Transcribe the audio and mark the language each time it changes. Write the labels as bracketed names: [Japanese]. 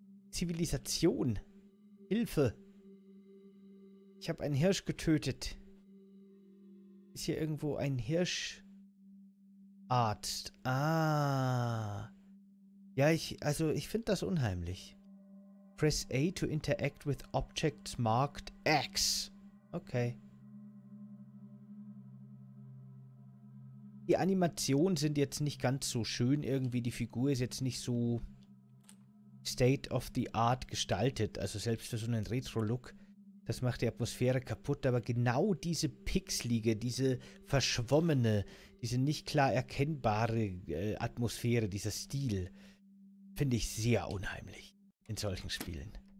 [German] Zivilisation. Hilfe. Ich habe einen Hirsch getötet. Ist hier irgendwo ein Hirscharzt? Ah. Ja, ich finde das unheimlich. [English] Press A to interact with objects marked X. [German] Okay. Die Animationen sind jetzt nicht ganz so schön irgendwie. Die Figur ist jetzt nicht so [English] state of the art [German] gestaltet. Also selbst für so einen Retro-Look. Das macht die Atmosphäre kaputt. Aber genau diese pixelige, diese verschwommene, diese nicht klar erkennbare Atmosphäre, dieser Stil, finde ich sehr unheimlich in solchen Spielen.